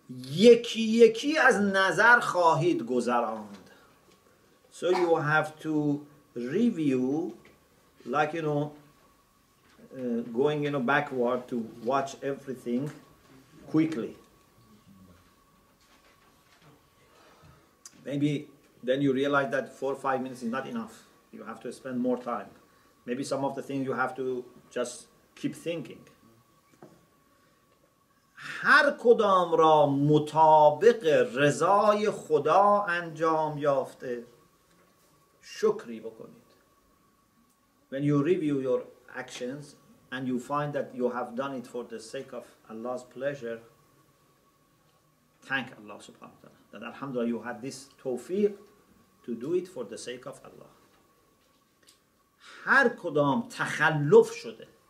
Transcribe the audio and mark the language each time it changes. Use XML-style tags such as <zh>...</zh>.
<fa>یکی یکی از نظر خواهید گذراند.</fa> <en>So you have to review, like, you know, going, you know, backward to watch everything quickly. Maybe then you realize that 4-5 minutes is not enough. You have to spend more time. Maybe some of the things you have to just keep thinking.</en> <fa>هر کدام را مطابق رضای خدا انجام یافته شکری بکنید.</fa> <en>When you review your actions and you find that you have done it for the sake of Allah's pleasure, thank Allah subhanahu wa ta'ala. That alhamdulillah you had this tawfiq to do it for the sake of Allah.</en> <fa>هر کدام تخلف شده.</fa>